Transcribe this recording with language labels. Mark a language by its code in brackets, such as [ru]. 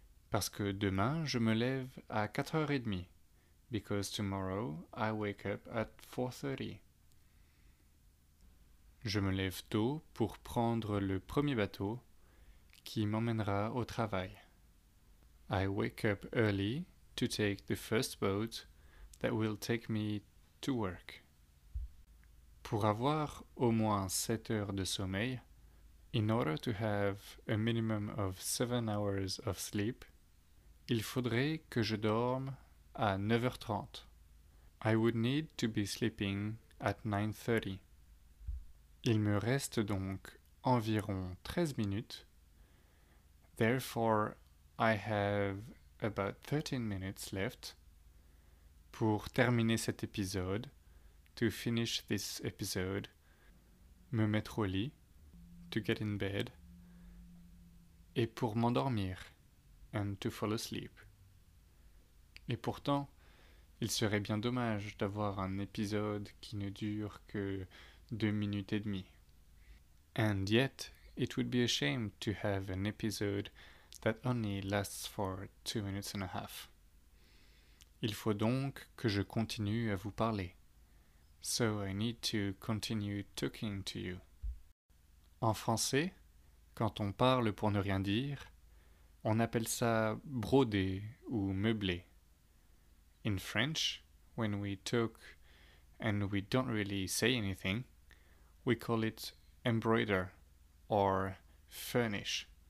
[fr] Parce que demain, je me lève à 4h30. [en] Because tomorrow, I wake up at 4:30. [fr] Je me lève tôt pour prendre le premier bateau qui m'emmènera au travail. [en] I wake up early to take the first boat that will take me to work. [fr] Pour avoir au moins 7 heures de sommeil, [en] in order to have a minimum of 7 hours of sleep, [fr] il faudrait que je dorme à 9h30. [en] I would need to be sleeping at 9:30. [fr] Il me reste donc environ 13 minutes. [en] Therefore, I have about 13 minutes left. [fr] Pour terminer cet épisode, [en] to finish this episode, [fr] me mettre au lit, [en] to get in bed, [fr] et pour m'endormir, [en] and to fall asleep. [fr] Et pourtant, il serait bien dommage d'avoir un épisode qui ne dure que 2 minutes et demie. [en] And yet, it would be a shame to have an episode that only lasts for 2 minutes and a half. [fr] Il faut donc que je continue à vous parler. [en] So I need to continue talking to you. [fr] En français, quand on parle pour ne rien dire, on appelle ça broder ou meubler. [en] In French, when we talk and we don't really say anything, we call it embroider or furnish.